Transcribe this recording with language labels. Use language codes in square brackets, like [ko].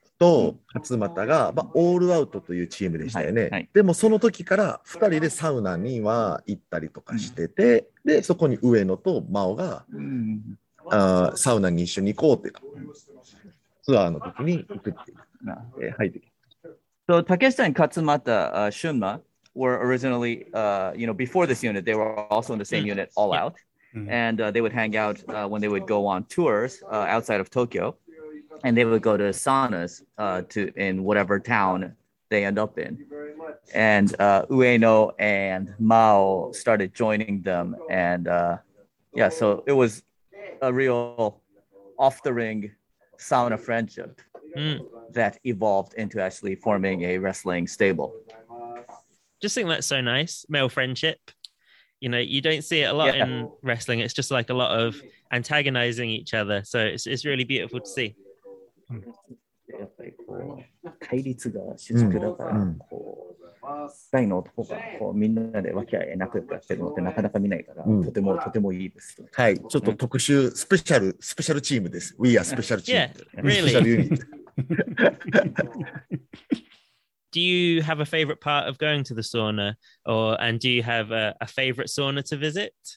[ja] と勝俣が、まあ、オールアウトというチームでしたよね、はいはい、でもその時から2人でサウナには行ったりとかしてて、でそこに上野と真央が、サウナに一緒に行こうっていうツアーの時に行くっていう、はい、 [en] So 竹下に勝俣、春馬 were originally、you know, before this unit they were also in the same unit All Out、and they would hang out、when they would go on tours、outside of TokyoAnd they would go to saunas to in whatever town they end up in. And Ueno and Mao started joining them. And yeah, so it was a real off the ring sauna friendship that evolved into actually forming a wrestling stable. Just think that's so nice, male friendship. You know, you don't see it a lot in wrestling. It's just like a lot of antagonizing each other. So it's really beautiful to see. [ja] やっぱりこう対立が主軸だから、こう大の男がこうみんなで和気あいあい仲良くやってるのってなかなか見ないから、とてもとてもいいです、ね。はい、ちょっと特殊スペシャルチームです。 [en] We are special team. Yeah, really. Do you have a favorite part of going to the sauna, or and do you have a favorite sauna to visit?